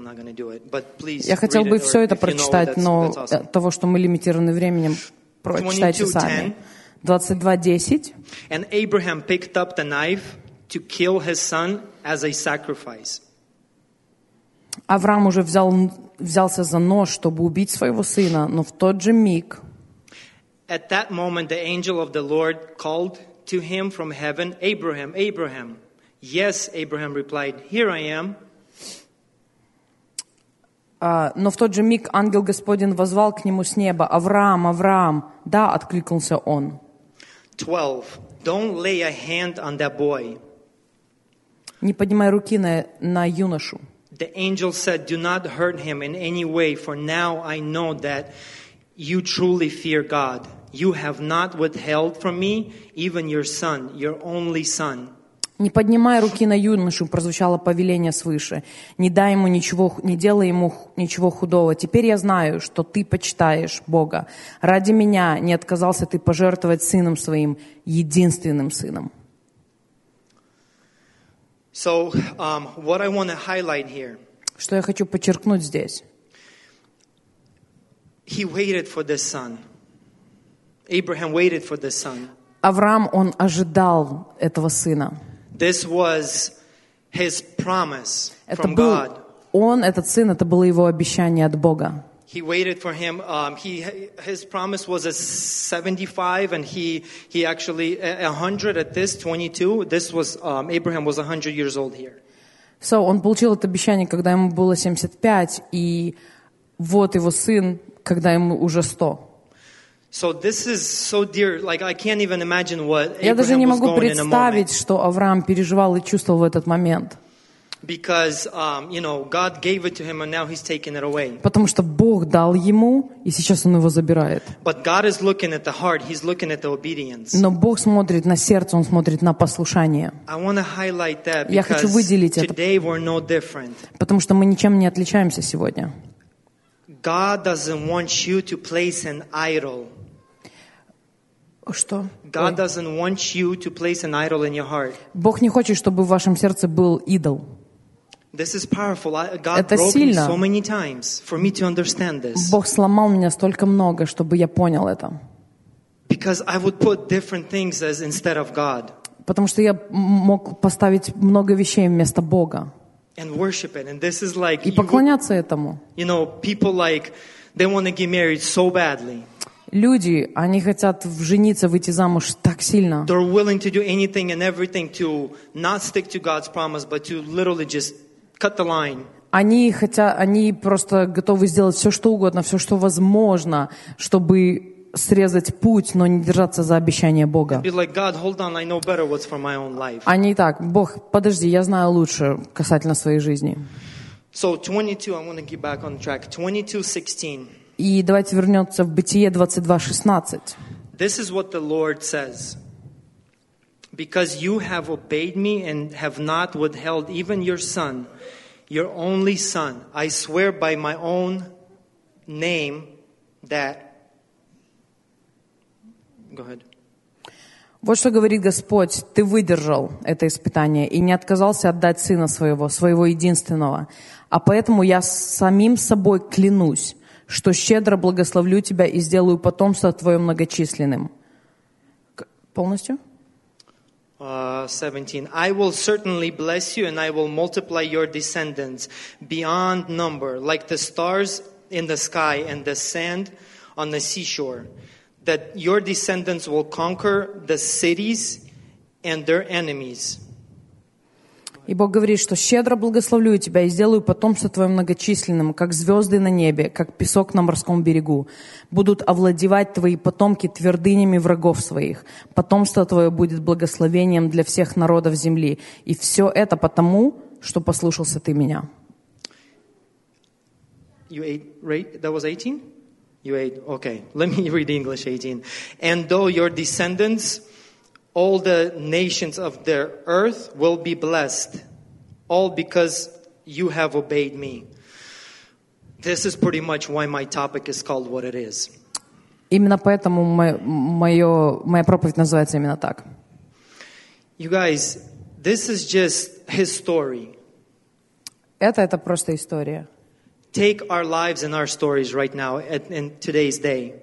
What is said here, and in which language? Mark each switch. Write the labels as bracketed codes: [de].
[ru] Я хотел бы все это прочитать, но того, что мы лимитированы временем, прочитайте сами. 22:10. [en] And Abraham picked up the knife to kill his son as a sacrifice. [ru] Авраам уже взялся за нож, чтобы убить своего сына, но в тот же миг. [en] At that moment, the angel of the Lord called to him from heaven, "Abraham, Abraham." Yes, Abraham replied, "Here I am." [ru] Но в тот же миг ангел Господень возвал к нему с неба, "Авраам, Авраам." Да, откликнулся он. 12. [en] Don't lay a hand on that boy. [ru] Не поднимай руки на юношу. [en] The angel said, "Do not hurt him in any way, for now I know that you truly fear God. You have not withheld from me even your son, your only son." [ru] Не поднимай руки на юношу, прозвучало повеление свыше. Не дай ему ничего, не делай ему ничего худого. Теперь я знаю, что ты почитаешь Бога. Ради меня не отказался ты пожертвовать сыном своим, единственным сыном. [en] So, what I want to highlight here. [ru] Что я хочу подчеркнуть здесь. [en] He waited for this son. Abraham waited for this son. [ru] Авраам, он ожидал этого сына. [en] This was his promise from God. [ru] Он, этот сын, это было его обещание от Бога. [en] He waited for him. His promise was a 75, and he actually 100 at this 22. This was Abraham was 100 years old here. [ru] So он получил это обещание, когда ему было 75, и вот его сын, когда ему уже 100. [en] So this is so dear. Like I can't even imagine what Abraham was going in a moment. [ru] Я даже не могу представить, что Авраам переживал и чувствовал в этот момент. [en] Because you know God gave it to him and now he's taking it away. [ru] Потому что Бог дал ему и сейчас он его забирает. [en] But God is looking at the heart. He's looking at the obedience. [ru] Но Бог смотрит на сердце, он смотрит на послушание. [en] I want to highlight that. [ru] Я хочу выделить это. [en] Today we're no different. [ru] Потому что мы ничем не отличаемся сегодня. [en] God doesn't want you to place an idol. [ru] Что? [en] God doesn't want you to place an idol in your heart. [ru] Бог не хочет, чтобы в вашем сердце был идол. [en] This is powerful. God broke me so many times for me to understand this. [ru] Бог сломал меня столько много, чтобы я понял это. [en] Because I would put different things as instead of God. [ru] Потому что я мог поставить много вещей вместо Бога. [en] And worship it, and this is like. [ru] И поклоняться этому. [en] You know, people like they want to get married so badly. [ru] Люди, они хотят жениться, выйти замуж так сильно. [en] They're willing to do anything and everything to not stick to God's promise, but to literally just cut the line. [ru] Они просто готовы сделать все, что угодно, все, что возможно, чтобы срезать путь, но не держаться за обещание Бога. [en] Be like, God, hold on, I know better what's for my own life. [ru] Они так, Бог, подожди, я знаю лучше касательно своей жизни. [en] So 22, I want to get back on track. 22:16. [ru] И давайте вернемся в Бытие 22:16. [en] This is what the Lord says. Because you have obeyed me and have not withheld even your son, your only son, I swear by my own name that... Go ahead. [ru] Вот что говорит Господь, ты выдержал это испытание и не отказался отдать сына своего, своего единственного. А поэтому я самим собой клянусь, что щедро благословлю тебя и сделаю потомство твое многочисленным. Полностью? 17. [en] I will certainly bless you and I will multiply your descendants beyond number, like the stars in the sky and the sand on the seashore, that your descendants will conquer the cities and their enemies. [ru] И Бог говорит, что щедро благословлю тебя и сделаю потомство твое многочисленным, как звезды на небе, как песок на морском берегу. Будут овладевать твои потомки твердынями врагов своих. Потомство твое будет благословением для всех народов земли. И все это потому, что послушался ты меня. [en] You ate, right? That was 18? You ate, okay. Let me read English 18. And though your descendants, all the nations of the earth will be blessed, all because you have obeyed me. This is pretty much why my topic is called what it is. [ru] Именно поэтому моя проповедь называется именно так. [en] You guys, this is just his story. [ru] Это просто история. [en] Take our lives and our stories right now in today's day.